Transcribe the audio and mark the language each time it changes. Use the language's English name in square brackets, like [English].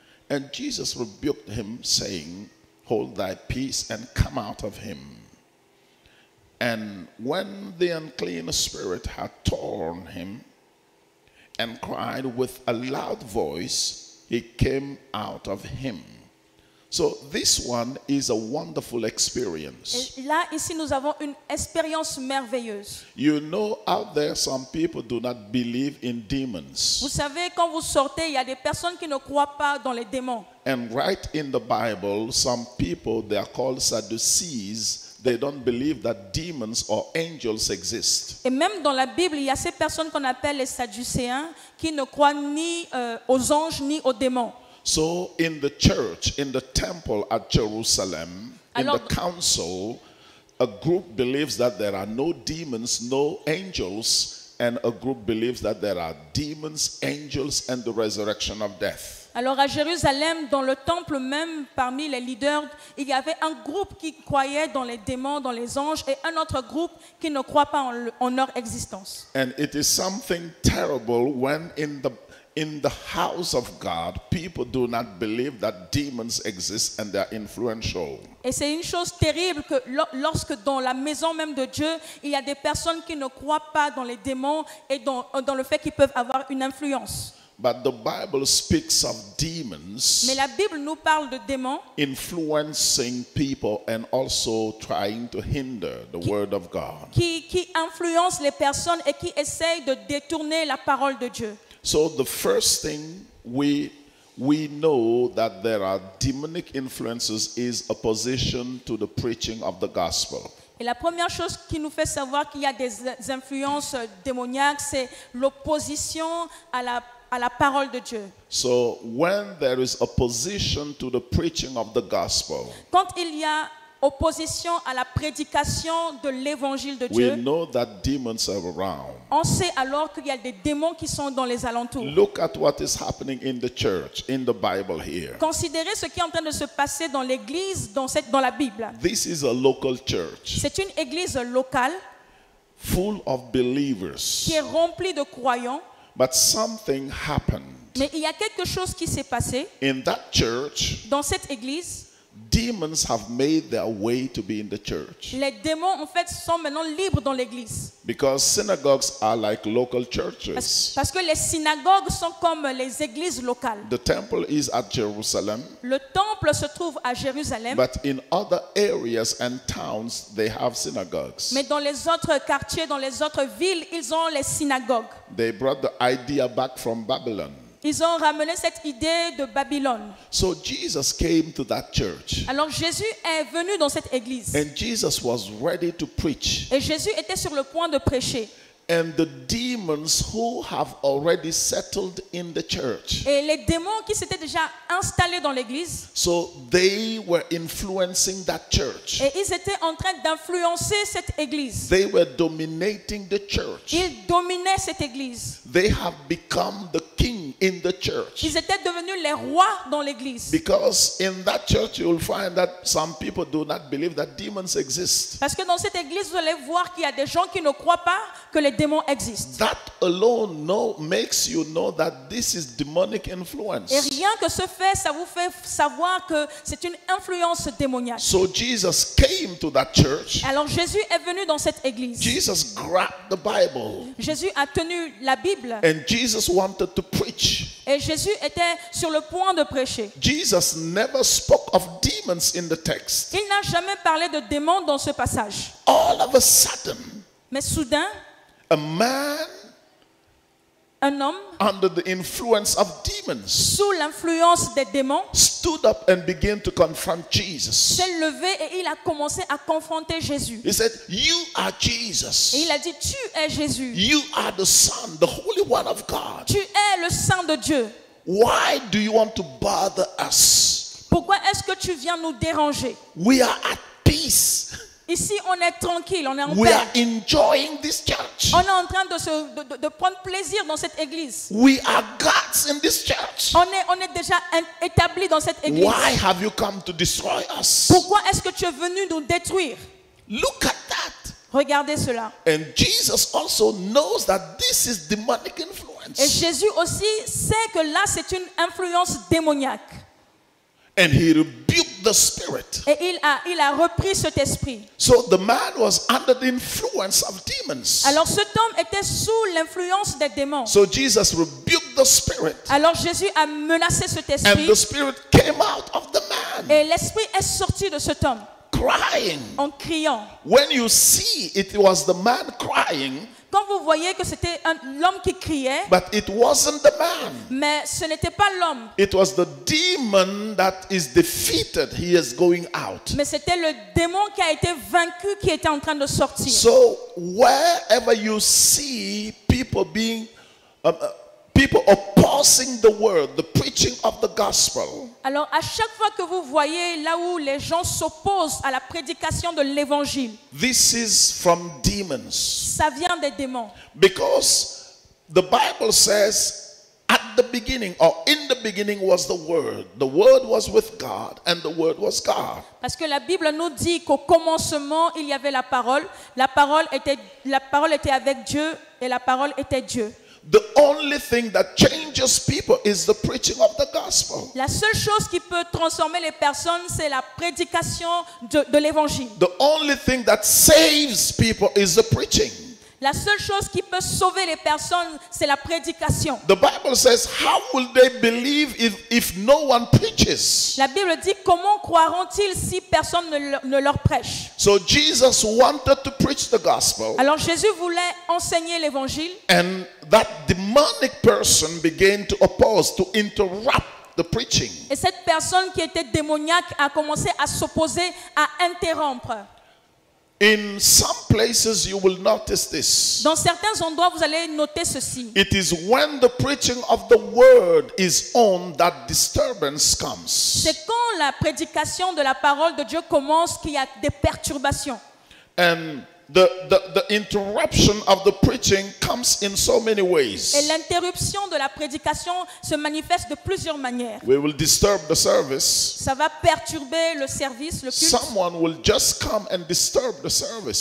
[English] And Jesus rebuked him, saying, hold thy peace and come out of him. And when the unclean spirit had torn him and cried with a loud voice, he came out of him. So this one is a wonderful experience. [French] Là, ici, nous avons une expérience merveilleuse. [English] You know, out there, some people do not believe in demons. [French] Vous savez, quand vous sortez, il y a des personnes qui ne croient pas dans les démons. [English] And right in the Bible, some people, they are called Sadducees. They don't believe that demons or angels exist. [French] Et même dans la Bible, il y a ces personnes qu'on appelle les Sadducéens qui ne croient ni aux anges ni aux démons. [English] So in the church, in the temple at Jerusalem, in the council, a group believes that there are no demons, no angels, and a group believes that there are demons, angels, and the resurrection of death. [French] Alors à Jérusalem, dans le temple même, parmi les leaders, il y avait un groupe qui croyait dans les démons, dans les anges, et un autre groupe qui ne croit pas en leur existence. [English] And it is something terrible when in the house of God, people do not believe that demons exist and they are influential. [French] Et c'est une chose terrible que lorsque dans la maison même de Dieu, il y a des personnes qui ne croient pas dans les démons et dans le fait qu'ils peuvent avoir une influence. [English] But the Bible speaks of demons. [French] Mais la Bible nous parle de démons [English] influencing people and also trying to hinder the word of God. [French] Qui influence les personnes et qui essaie de détourner la parole de Dieu. [English] So the first thing we know that there are demonic influences is opposition to the preaching of the gospel. [French] Et la première chose qui nous fait savoir qu'il y a des influences démoniaques, c'est l'opposition à la parole de Dieu. [English] So when there is opposition to the preaching of the gospel, [French] quand il y a opposition à la prédication de l'évangile de Dieu, [English] we know that demons are around. [French] On sait alors qu'il y a des démons qui sont dans les alentours. [English] Look at what is happening in the church, in the Bible here. [French] Considérez ce qui est en train de se passer dans l'église, dans la Bible. [English] This is a local church. [French] C'est une église locale, [English] full of believers, [French] qui est remplie de croyants. [English] But something happened. [French] Mais il y a quelque chose qui s'est passé. [English] In that church, [French] dans cette église, [English] demons have made their way to be in the church. [French] Les démons en fait sont maintenant libres dans l'église. [English] Because synagogues are like local churches. [French] Parce que les synagogues sont comme les églises locales. [English] The temple is at Jerusalem. [French] Le temple se trouve à Jérusalem. [English] But in other areas and towns, they have synagogues. [French] Mais dans les autres quartiers, dans les autres villes, ils ont les synagogues. [English] They brought the idea back from Babylon. [French] Ils ont ramené cette idée de Babylone. [English] So Jesus came to that church. [French] Alors Jésus est venu dans cette église. [English] And Jesus was ready to preach. [French] Et Jésus était sur le point de prêcher. [English] And the demons who have already settled in the church. [French] Et les démons qui s'étaient déjà installés dans l'église. [English] So they were influencing that church. [French] Et ils étaient en train d'influencer cette église. [English] They were dominating the church. [French] Ils dominaient cette église. [English] They have become the king in the church. [French] Ils étaient devenus les rois dans l'église. [English] Because in that church you will find that some people do not believe that demons exist. [French] Parce que dans cette église vous allez voir qu'il y a des gens qui ne croient pas que les démons existent. [English] That alone makes you know that this is demonic influence. [French] Et rien que ce fait, ça vous fait savoir que c'est une influence démoniaque. [English] So Jesus came to that church. [French] Alors Jésus est venu dans cette église. [English] Jesus grabbed the Bible. [French] Jésus a tenu la Bible. [English] And Jesus wanted to preach. [French] Et Jésus était sur le point de prêcher. [English] Jesus never spoke of demons in the text. [French] Il n'a jamais parlé de démons dans ce passage. [English] All of a sudden. [French] Mais soudain. [English] A man, [French] un homme, [English] under the influence of demons, [French] sous l'influence des démons, [English] stood up and began to confront Jesus. [French] S'est levé et il a commencé à confronter Jésus. [English] He said, "You are Jesus." [French] Et il a dit, "Tu es Jésus." [English] "You are the Son, the Holy One of God." [French] Tu es le Saint de Dieu. [English] "Why do you want to bother us?" [French] Pourquoi est-ce que tu viens nous déranger? [English] "We are at peace." [French] Ici, on est tranquille, on est en [English] we [French] paix. [English] Are enjoying this church. [French] On est en train de prendre plaisir dans cette église. [English] We are gods in this church. [French] On est déjà établi dans cette église. [English] Why have you come to destroy us? [French] Pourquoi est-ce que tu es venu nous détruire? [English] Look at that. [French] Regardez cela. [English] And Jesus also knows that this is demonic influence. [French] Et Jésus aussi sait que là, c'est une influence démoniaque. [English] And he rebuked the spirit. [French] Et il a repris cet esprit. [English] So the man was under the influence of demons. [French] Alors cet homme était sous l'influence des démons. [English] So Jesus rebuked the spirit. [French] Alors Jésus a menacé cet esprit. [English] And the spirit came out of the man. [French] Et l'esprit est sorti de cet homme. [English] Crying. [French] En criant. [English] When you see it was the man crying. [French] Quand vous voyez que c'était l'homme qui criait, [English] but it wasn't the man. [French] Mais ce n'était pas l'homme. [English] It was the demon that is defeated. He is going out. [French] Mais c'était le démon qui a été vaincu qui était en train de sortir. [English] So wherever you see people being, people are pausing the word, the preaching of the gospel. [French] Alors à chaque fois que vous voyez là où les gens s'opposent à la prédication de l'évangile. [English] This is from demons. [French] Ça vient des démons. [English] Because the Bible says at the beginning or in the beginning was the word. The word was with God and the word was God. [French] Parce que la Bible nous dit qu'au commencement il y avait la parole. La parole était avec Dieu et la parole était Dieu. [English] The only thing that changes people is the preaching of the gospel. [French] La seule chose qui peut transformer les personnes, c'est la prédication de l'évangile. [English] The only thing that saves people is the preaching. [French] La seule chose qui peut sauver les personnes, c'est la prédication. [English] The Bible says, how will they believe if no one preaches? [French] La Bible dit, comment croiront-ils si personne ne leur prêche? [English] So Jesus wanted to preach the gospel. [French] Alors Jésus voulait enseigner l'évangile. [English] And that demonic person began to oppose, to interrupt the preaching. [French] Et cette personne qui était démoniaque a commencé à s'opposer, à interrompre. [English] In some places you will notice this. [French] Dans certains endroits vous allez noter ceci. [English] It is when the preaching of the word is on that disturbance comes. [French] C'est quand la prédication de la parole de Dieu commence qu'il y a des perturbations. [English] And the interruption of the preaching comes in so many ways. [French] Et l'interruption de la prédication se manifeste de plusieurs manières. [English] We will disturb the service. [French] Ça va perturber le service, le culte. [English] Someone will just come and disturb the service.